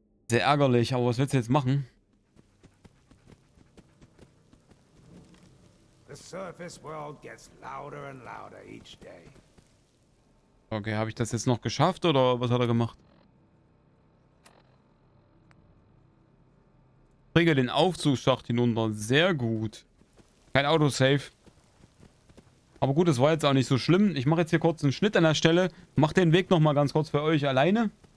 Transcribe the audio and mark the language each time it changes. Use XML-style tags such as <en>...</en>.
<de>Sehr ärgerlich, aber was willst du jetzt machen?</de> <en>The surface world gets louder and louder each day.</en> <de>Okay, habe ich das jetzt noch geschafft oder was hat er gemacht? Bringe den Aufzugsschacht hinunter. Sehr gut. Kein Autosave. Aber gut, das war jetzt auch nicht so schlimm. Ich mache jetzt hier kurz einen Schnitt an der Stelle. Mach den Weg nochmal ganz kurz für euch alleine.</de>